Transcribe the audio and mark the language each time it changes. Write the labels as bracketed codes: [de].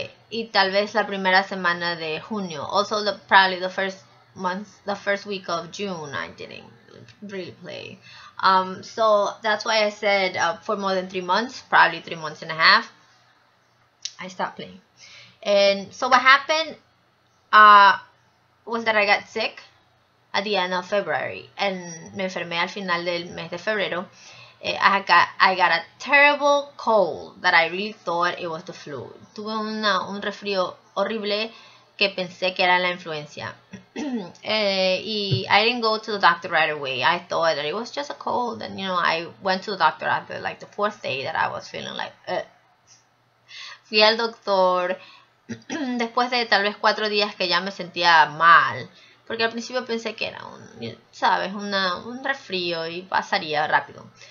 [es] Y tal vez la primera semana de junio. [en] Also probably the first week of June I didn't really play. So that's why I said for more than 3 months, probably 3 months and a half, I stopped playing. And so what happened was that I got sick at the end of February. And [es] me enfermé al final del mes de febrero. [en] I got a terrible cold that I really thought it was the flu. [es] Tuve un resfrío horrible que pensé que era la influenza. [en] y I didn't go to the doctor right away. I thought that it was just a cold. And, you know, I went to the doctor after, like, the fourth day that I was feeling like, [es] Fui al doctor después de tal vez 4 días que ya me sentía mal, porque al principio pensé que era un resfrío y pasaría rápido.